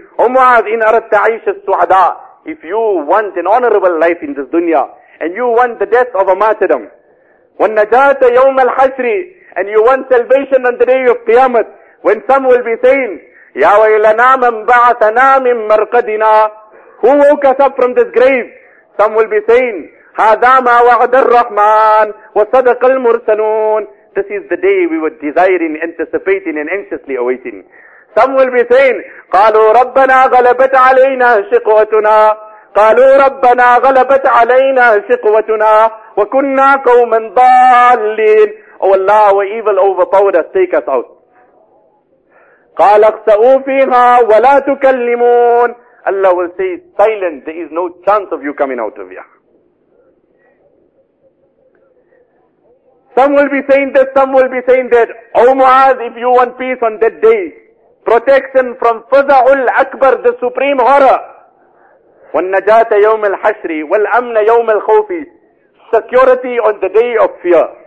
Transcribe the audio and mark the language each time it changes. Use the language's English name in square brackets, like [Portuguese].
[English] O Mu'adh, [Arabic] in aratta aisha suhada, [English] if you want an honorable life in this dunya, and you want the death of a martyrdom, [Arabic] wa najata yawm al-hashri, [English] and you want salvation on the day of Qiyamah, when some will be saying, [Arabic] Ya waylana man ba'athana min marqadina, [English] who woke us up from this grave? Some will be saying, [Arabic] هَذَا مَا وَعَدَ الرَّحْمَانِ وَصَدَقَ الْمُرْسَلُونَ. [English] This is the day we were desiring, anticipating, and anxiously awaiting. Some will be saying, [Arabic] قَالُوا رَبَّنَا غَلَبَتْ عَلَيْنَا شِقْوَتُنَا قَالُوا رَبَّنَا غَلَبَتْ عَلَيْنَا شِقْوَتُنَا وَكُنَّا قَوْمًا ضَالِّينَ. [English] Oh Allah, our evil overpowered us, take us out. [Arabic] قَالَ اخْسَأُوا فِيهَا وَلَا تُكَلِّمُونَ. [English] Allah will say, silent, there is no chance of you coming out of here. Some will be saying this, some will be saying that. O Mu'adh, if you want peace on that day, protection from Faza'ul Akbar, the supreme horror, [Arabic] وَالنَّجَاةَ يَوْمِ الْحَشْرِ وَالْأَمْنَ يَوْمِ الْخَوْفِ, [English] security on the day of fear.